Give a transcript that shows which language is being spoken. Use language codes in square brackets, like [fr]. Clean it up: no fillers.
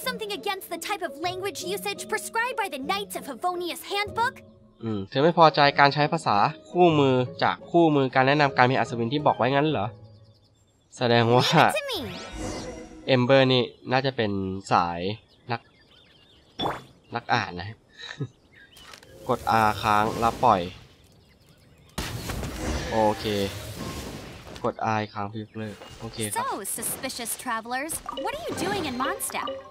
[en] something against the type of language usage prescribed by the Knights of Favonius handbook [th] เธอไม่พอใจการใช้ภาษาคู่มือจากคู่มือการแนะนำการมีอัศวินที่บอกไว้งั้นเหรอแสดงว่าเอมเบอร์นี่น่าจะเป็นสายนักอ่านนะกด R ค้างแล้วปล่อยโอเคกด R ค้างพิบเลยโอเคครับ [en] So suspicious travelers what are you doing in Mondstadt